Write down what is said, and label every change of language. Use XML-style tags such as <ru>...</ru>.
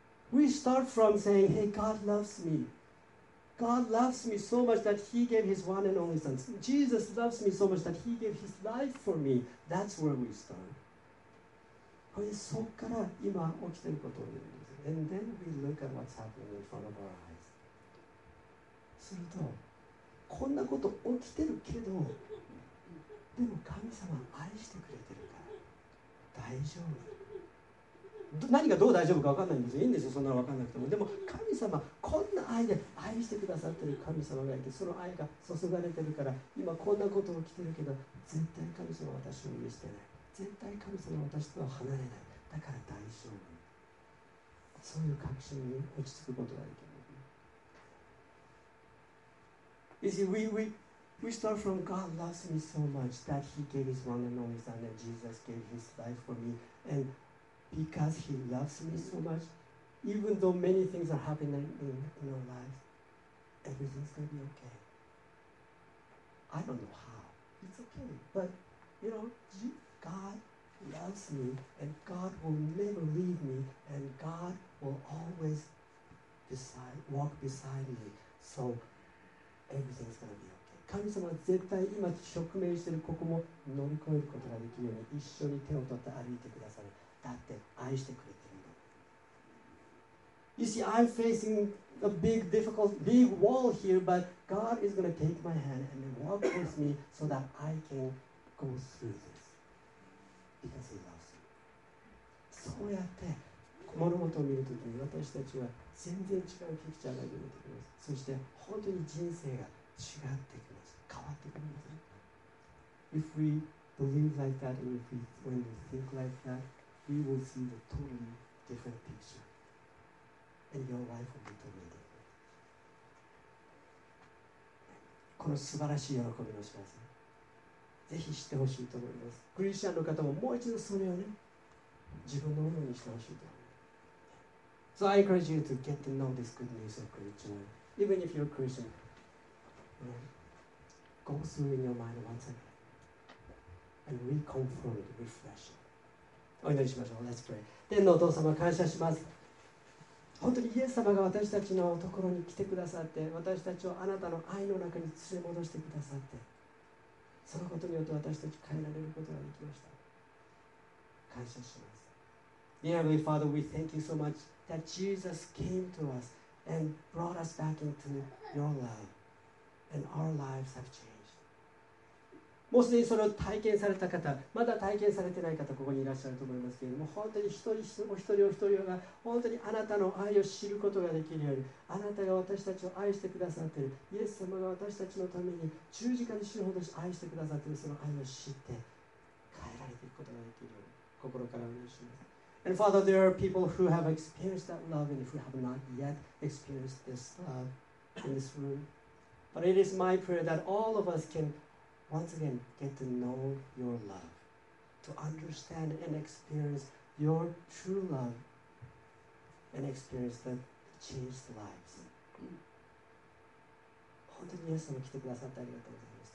<en>We start from saying, Hey, God loves me. God loves me so much that he gave his one and only son. Jesus loves me so much that he gave his life for me. That's where we start.</en> <ja>これそこから今起きていることを言うんです。</ja> <en>And then we look at what's happening in front of our eyes.</en> <ja>すると、こんなこと起きてるけど、でも神様愛してくれてるから、大丈夫。何がどう大丈夫か分かんないんですよ。いいんですよ、そんなの分かんなくても。でも神様、こんな愛で愛してくださってる神様がいて、その愛が注がれてるから、今こんなこと起きてるけど、絶対神様は私を見捨てない。絶対神様は私とは離れない。だから大丈夫。そういう確信に落ち着くことができる。</ja> <en>You see, we start from God loves me so much that he gave his one and only son and Jesus gave his life for me. And because he loves me so much, even though many things are happening in our life, everything's going to be okay. I don't know how. It's okay. But, you know, God loves me and God will never leave me and God will always walk beside me. So,Everything's gonna be okay.</en> <ja>神様は絶対今直面しているここも乗り越えることができるように一緒に手を取って歩いてくださる。だって愛してくれてるんだ。</ja> <en>You see, I'm facing a big, difficult, big wall here, but God is gonna take my hand and walk with me so that I can go through this. Because He loves me.</en> <ja>そうやって物事を見るときに私たちは全然違うピクチャーが出てきます。そして本当に人生が違ってきます。変わってくるんです。</ja> <en>If we believe like that and when we think like that, we will see the totally different picture. And your life will be totally different.</en> <ja>この素晴らしい喜びの知らせ、ぜひ知ってほしいと思います。クリスチャンの方ももう一度それをね、自分のものにしてほしいと。</ja> <en>So I encourage you to get to know this good news of Christian. Even if you're a Christian, go through in your mind once again and reconfirm it, refresh it.</en> <ja>お祈りしましょう。</ja> <en>Let's pray.</en> <ja>天のお父様、感謝します。本当にイエス様が私たちのところに来てくださって、私たちをあなたの愛の中に連れ戻してくださって、そのことによって私たち変えられることができました。感謝します。</ja> <en>Dear Heavenly Father, we thank you so much that Jesus came to us and brought us back into your love and our lives have changed.</en> <ja>もうすでにそれを体験された方、まだ体験されてない方、ここにいらっしゃると思いますけれども、本当に一人一人お一人お一人が本当にあなたの愛を知ることができるように、あなたが私たちを愛してくださっている、イエス様が私たちのために十字架に死ぬほど愛してくださっている、その愛を知って変えられていくことができるように、心からお願いします。</ja> <en>And Father, there are people who have experienced that love and if we have not yet experienced this love in this room. But it is my prayer that all of us can once again get to know your love, to understand and experience your true love and experience the changed lives.</en> <ja>本当に皆様来てくださってありがとうございます。</ja>